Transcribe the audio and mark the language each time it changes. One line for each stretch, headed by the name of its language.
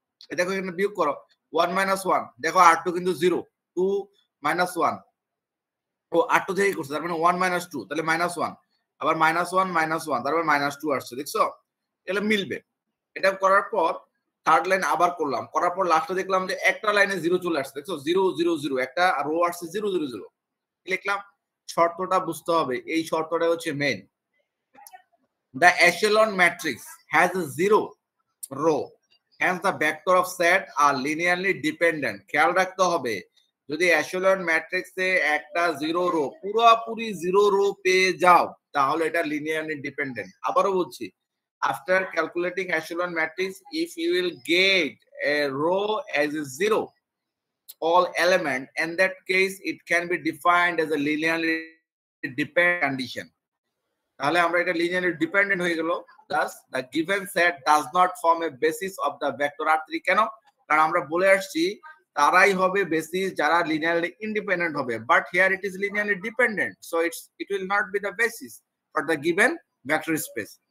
Bangla: এই দেখো এখানে বিয়োগ করো 1 - 1, দেখো R2 কিন্তু 0, 2 - 1, ও R2 থেকে করছে, তার মানে 1 - 2, তাহলে -1, আবার -1 - 1, তারপর -2 আসছে, দেখছো? এটা মিলবে। এটা করার পর থার্ড লাইন আবার করলাম, করার পর লাস্টে দেখলাম যে একটা লাইনে 0 চলে আসছে, দেখছো? 0 0 0, একটা রো আসছে 0 0 0। লিখলাম, শর্তটা বুঝতে হবে, এই শর্তটাই হচ্ছে main.
English: The echelon matrix has a zero row, hence the vector of set are linearly dependent.
Bangla: খেয়াল রাখতে হবে, যদি echelon matrix এ একটা zero row, পুরোপুরি zero row পেয়ে যাও, তাহলে এটা linearly dependent. আবারও বলছি,
English: after calculating echelon matrix, if you will get a row as a zero, all element, in that case, it can be defined as a linearly dependent condition.
Bangla: তাহলে আমরা এটা linearly dependent হয়ে গেল।
English: Das the given set does not form A basis of the vector R3,
Bangla: কেন? কারণ আমরা বলে আসছি তারাই হবে বেসিস যারা লিনিয়ারলি ইন্ডিপেন্ডেন্ট হবে,
English: But here it is linearly dependent, so it's it will not be the basis for the given vector space.